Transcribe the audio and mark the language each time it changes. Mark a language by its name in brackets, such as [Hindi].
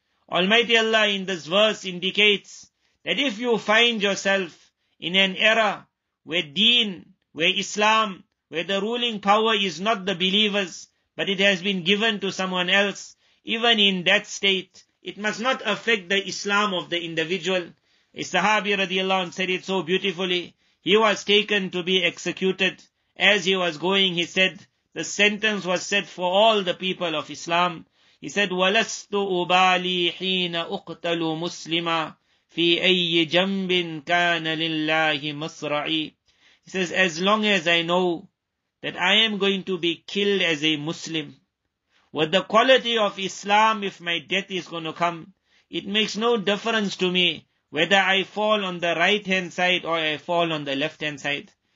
[English] Almighty Allah in this verse indicates that if you find yourself in an era where deen, where Islam, where the ruling power is not the believers, but it has been given to someone else, even in that state, it must not affect the Islam of the individual. A Sahabi radiallahu anhu said it so beautifully. He was taken to be executed. As he was going, he said, the sentence was said for all the people of Islam. He said, [Arabic] وَلَسْتُ أُبَالِي حِينَ أُقْتَلُ مُسْلِمًا فِي أَيِّ جَنْبٍ كَانَ لِلَّهِ مَصْرَعِي. [English] He says, as long as I know that I am going to be killed as a Muslim, with the quality of Islam, if my death is going to come, it makes no difference to me whether I fall on the right-hand side or I fall on the left-hand side.